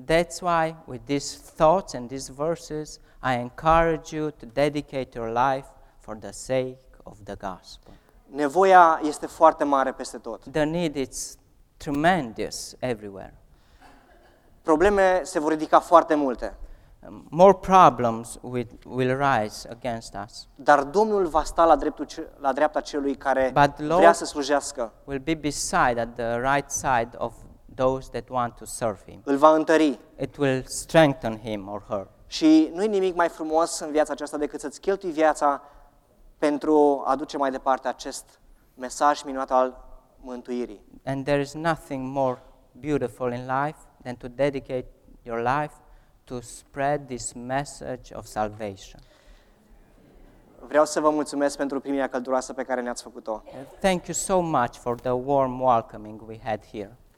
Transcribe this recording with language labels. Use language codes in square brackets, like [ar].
[en] That's why with these thoughts and these verses I encourage you to dedicate your life for the sake of the gospel. [ro] Nevoia este foarte mare peste tot. [en] The need is tremendous everywhere. [ro] Probleme se vor ridica foarte multe. [en] More problems will rise against us. [ro] Dar Domnul va sta la dreapta celui care vrea să slujească. [en] Will be beside at the right side of those that want to serve him. [ro] Îl va întări. [en] It will strengthen him or her. [ro] Și nu e nimic mai frumos în viața aceasta decât să-ți cheltui viața pentru a duce mai departe acest mesaj minunat al mântuirii. [en] And there is nothing more beautiful in life than to dedicate your life to spread this message of salvation. [ro] Vreau să vă mulțumesc pentru primirea călduroasă pe care ne-ați făcut-o. [en] Thank you so much for the warm welcoming we had here.